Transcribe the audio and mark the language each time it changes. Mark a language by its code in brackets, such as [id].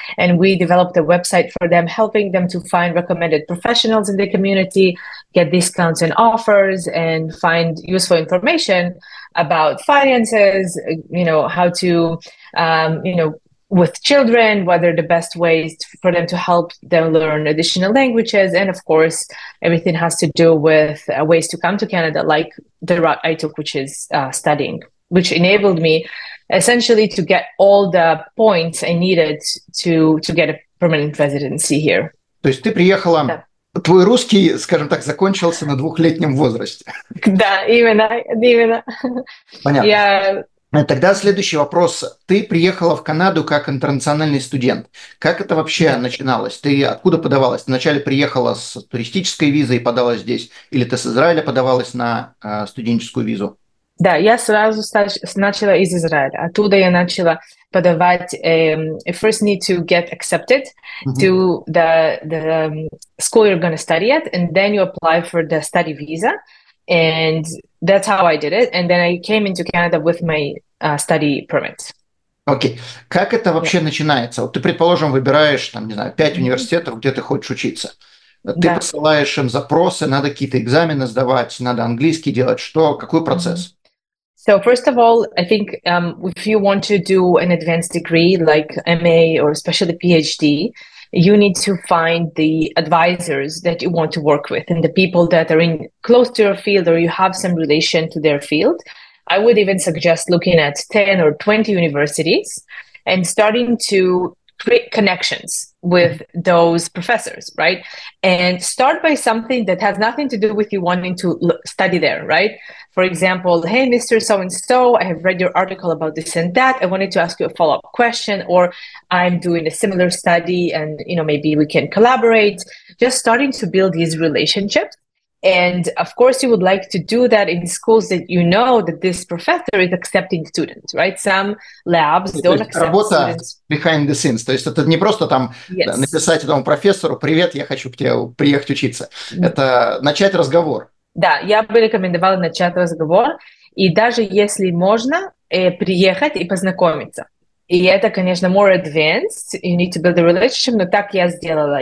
[en] And we developed a website for them, helping them to find recommended professionals in the community, get discounts and offers, and find useful information about finances, you know, how to, you know, with children, what are the best ways for them to help them learn additional languages. And of course, everything has to do with ways to come to Canada, like the route I took, which is studying, which enabled me essentially to get all the points I needed to get a permanent residency here. [ru] То есть ты приехала, твой русский, скажем так, закончился на двухлетнем возрасте. Да, именно. Понятно. Тогда следующий вопрос. Ты приехала в Канаду как интернациональный студент. Как это вообще начиналось? Ты откуда подавалась? Ты вначале приехала с туристической визой и подалась здесь? Или ты с Израиля подавалась на студенческую визу? Да, я сразу начала из Израиля. Оттуда я начала подавать. [en] I first need to get accepted to the school you're going to study at, and then you apply for the study visa. And that's how I did it. And then I came into Canada with my study permit. [ru] Окей. Как это вообще начинается? Вот ты, предположим, выбираешь, там, не знаю, 5 университетов, где ты хочешь учиться. Ты посылаешь им запросы, надо какие-то экзамены сдавать, надо английский делать. Что? Какой процесс? [en] So first of all, I think if you want to do an advanced degree, like MA or especially PhD, you need to find the advisors that you want to work with and the people that are in close to your field or you have some relation to their field. I would even suggest looking at 10 or 20 universities and starting to create connections with those professors, right? And start by something that has nothing to do with you wanting to study there, right? For example, hey, Mr. So-and-so, I have read your article about this and that. I wanted to ask you a follow-up question, or I'm doing a similar study and, you know, maybe we can collaborate. Just starting to build these relationships. And of course, you would like to do that in schools that you know that this professor is accepting students, right? Some labs don't accept [ru] работа [en] students. Behind the scenes. [ru] То есть это не просто там написать этому профессору: «Привет, я хочу к тебе приехать учиться». Это начать разговор. Да, я бы рекомендовала начать разговор. И даже если можно, приехать и познакомиться. И это, конечно, [en] more advanced, you need to build a relationship, [ru] но так я сделала.